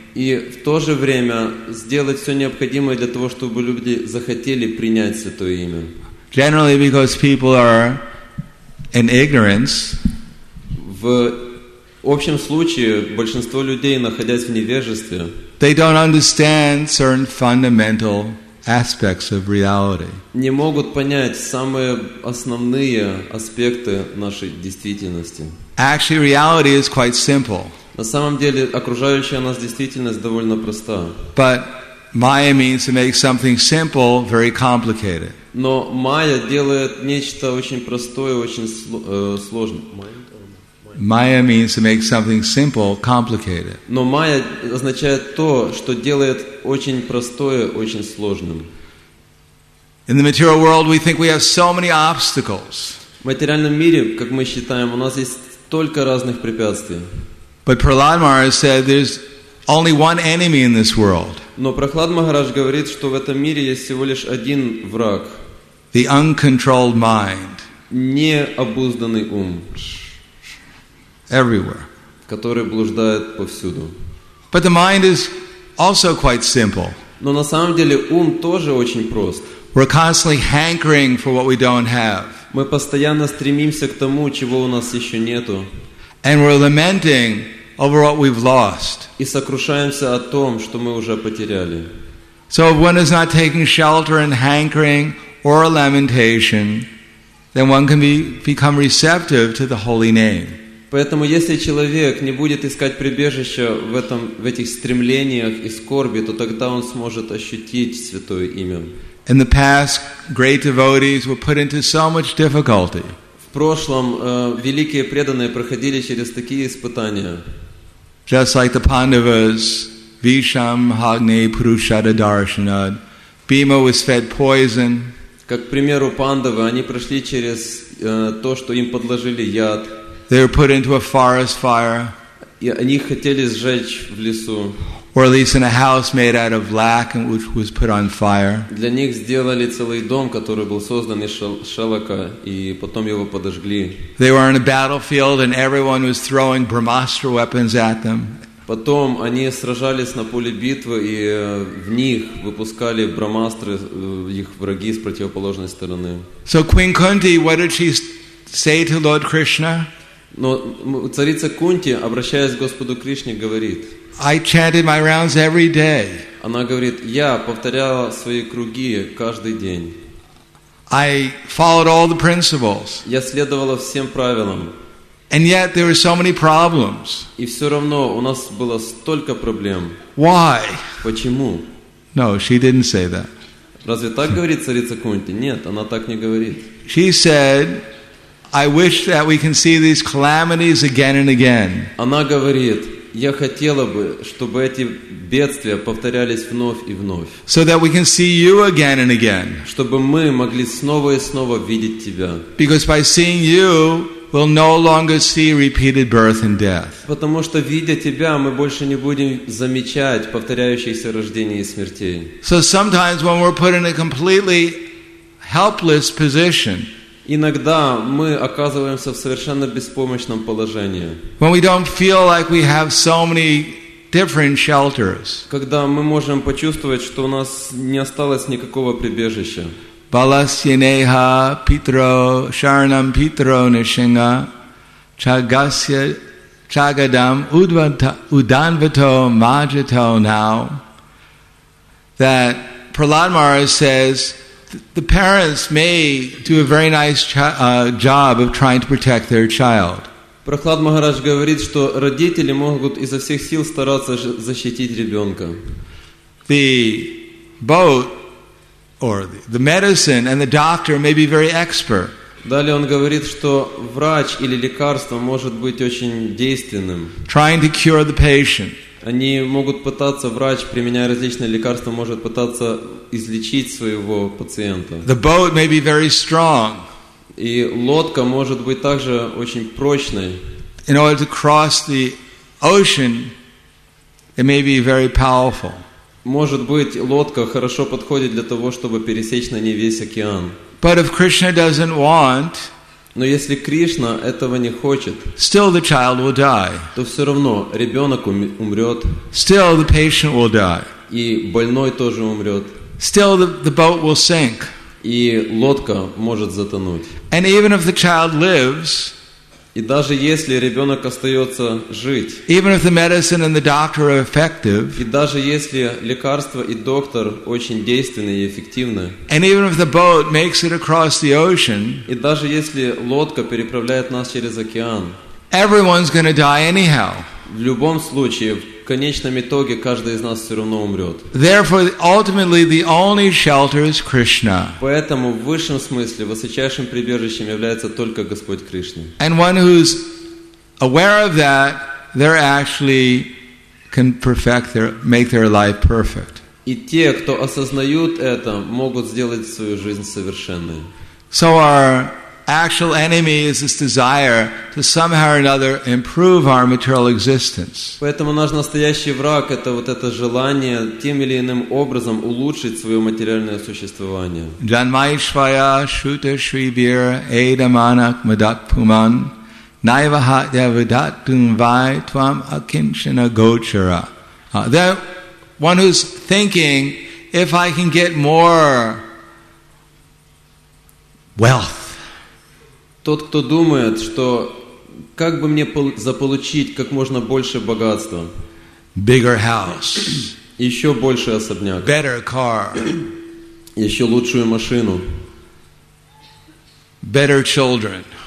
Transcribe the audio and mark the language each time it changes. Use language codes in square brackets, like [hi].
[ru] И в то же время сделать все необходимое для того, чтобы люди захотели принять Святое Имя. [en] Generally, because people are in ignorance. [ru] В общем случае, большинство людей, находясь в невежестве, [en] they don't understand certain fundamental aspects of reality. [ru] Не могут понять самые основные аспекты нашей действительности. [en] Actually, reality is quite simple. [ru] На самом деле, окружающая нас действительность довольно проста. [en] But Maya means to make something simple very complicated. [ru] Но Maya делает нечто очень простое очень сложным. [en] Maya means to make something simple complicated. [ru] Но Maya означает то, что делает очень простое очень сложным. [en] In the material world, we think we have so many obstacles. [ru] В материальном мире, как мы считаем, у нас есть столько разных препятствий. [en] But Prahlad Maharaj said there's only one enemy in this world. [ru] Но Прохлад Махарадж говорит, что в этом мире есть всего лишь один враг. [en] The uncontrolled mind. [ru] Необузданный ум. [en] Everywhere. [ru] Который блуждает повсюду. [en] But the mind is also quite simple. [ru] Но на самом деле ум тоже очень прост. [en] We're constantly hankering for what we don't have. [ru] Мы постоянно стремимся к тому, чего у нас еще нету. [en] And we're lamenting over what we've lost. [ru] И сокрушаемся о том, что мы уже потеряли. [en] So if one is not taking shelter in hankering or lamentation, then one can become receptive to the holy name. [ru] Поэтому если человек не будет искать прибежища в этих стремлениях и скорби, то тогда он сможет ощутить Святое Имя. [en] In the past, great devotees were put into so much difficulty. [ru] В прошлом великие преданные проходили через такие испытания. [en] Just like the Pandavas, Visham, Hagne, Purushada, Darshanad, Bhima was fed poison. [ru] Как к примеру Пандавы, они прошли через то, что им подложили яд. [en] They were put into a forest fire. [ru] И они хотели сжечь в лесу. [en] Or at least in a house made out of lac and which was put on fire. [ru] Для них сделали целый дом, который был создан из шелака, и потом его подожгли. [en] They were in a battlefield and everyone was throwing Brahmastra weapons at them. [ru] Потом они сражались на поле битвы, и в них выпускали брамастры их враги с противоположной стороны. [en] So Queen Kunti, what did she say to Lord Krishna? [ru] Но царица Кунти, обращаясь к Господу Кришне, говорит: [en] I chanted my rounds every day. [ru] Она говорит: я повторяла свои круги каждый день. [en] I followed all the principles. [ru] Я следовала всем правилам. [en] And yet there were so many problems. [ru] И все равно у нас было столько проблем. [en] Why? [ru] Почему? [en] No, she didn't say that. [ru] Разве так говорит царица Кунти? Нет, она так не говорит. [en] She said, I wish that we can see these calamities again and again. [ru] Она говорит: я хотела бы, чтобы эти бедствия повторялись вновь и вновь. [en] So that we can see you again and again. [ru] Чтобы мы могли снова и снова видеть тебя. [en] Because by seeing you, we'll no longer see repeated birth and death. [ru] Потому что видя тебя, мы больше не будем замечать повторяющиеся рождения и смерти. [en] So sometimes when we're put in a completely helpless position, [ru] иногда мы оказываемся в совершенно беспомощном положении. [en] When we don't feel like we have so many different shelters. [ru] Когда мы можем почувствовать, что у нас не осталось никакого прибежища. [sa] Баласьянеха Питро Шарнам Питро Нишинга Чагасья Чагадам Уданвато Маджато Нау. [en] That Prahlad Maharaj says, the parents may do a very nice job of trying to protect their child. [ru] Прохлад Махарадж говорит, что родители могут изо всех сил стараться защитить ребенка. [en] The boat or the medicine and the doctor may be very expert. [ru] Далее он говорит, что врач или лекарство может быть очень действенным. [en] Trying to cure the patient. [ru] Они могут пытаться, врач, применяя различные лекарства, может пытаться излечить своего пациента. [en] The boat may be very strong. [ru] И лодка может быть также очень прочной. [en] In order to cross the ocean, It may be very powerful. [ru] Может быть, лодка хорошо подходит для того, чтобы пересечь на ней весь океан. [en] But if Krishna doesn't want, [ru] но если Кришна этого не хочет, [en] still the child will die. [ru] То все равно ребенок умрет. [en] Still the patient will die. [ru] И больной тоже умрет. [en] Still the boat will sink. [ru] И лодка может затонуть. [en] And even if the child lives, [ru] и даже если ребенок остается жить, [en] even if the medicine and the doctor are effective, [ru] и даже если лекарство и доктор очень действенны и эффективны, [en] and even if the boat makes it across the ocean, [ru] и даже если лодка переправляет нас через океан, [en] everyone's going to die anyhow. [ru] В любом случае, в конечном итоге каждый из нас все равно умрет. [en] Therefore, ultimately, the only shelter is Krishna. [ru] Поэтому в высшем смысле высочайшим прибежищем является только Господь Кришна. [en] And one who's aware of that, they're actually can perfect their, make their life perfect. [ru] И те, кто осознают это, могут сделать свою жизнь совершенной. [en] So our actual enemy is this desire to somehow or another improve our material existence. [ru] Поэтому наш настоящий враг это вот это желание тем или иным образом улучшить свое материальное существование. [sa] Janmaishvaya shruta shribir edamanak madakpuman naivahatya vidattum vaitvam akinchana gochara. [en] That one who's thinking, if I can get more wealth, [ru] тот, кто думает, что как бы мне заполучить как можно больше богатства, [en] bigger house, [ru] еще больше особняк, [en] better car, [ru] еще лучшую машину, [en] better children,